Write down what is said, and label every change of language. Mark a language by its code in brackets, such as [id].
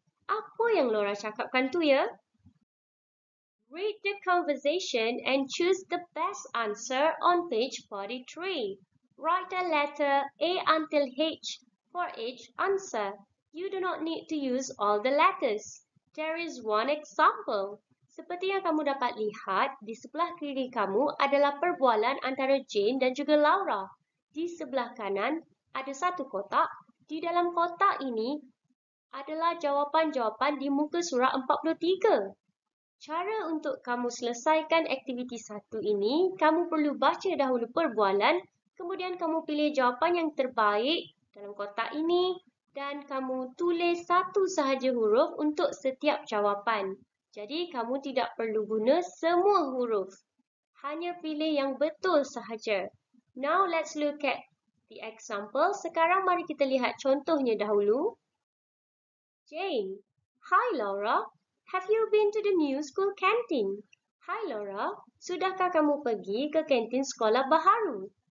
[ms] Apa yang Laura cakapkan tu ya? [en] Read the conversation and choose the best answer on page 43. Write a letter A until H for each answer. You do not need to use all the letters. There is one example. [ms] Seperti yang kamu dapat lihat, di sebelah kiri kamu adalah perbualan antara Jane dan juga Laura. Di sebelah kanan ada satu kotak. Di dalam kotak ini adalah jawapan-jawapan di muka surat 43. Cara untuk kamu selesaikan aktiviti satu ini, kamu perlu baca dahulu perbualan. Kemudian kamu pilih jawapan yang terbaik dalam kotak ini dan kamu tulis satu sahaja huruf untuk setiap jawapan. Jadi kamu tidak perlu guna semua huruf. Hanya pilih yang betul sahaja. [en] Now let's look at the example. [ms] Sekarang mari kita lihat contohnya dahulu. Jane. [en] Hi Laura. Have you been to the new school canteen? Hi Laura. [ms] Sudahkah kamu pergi ke kantin sekolah baharu?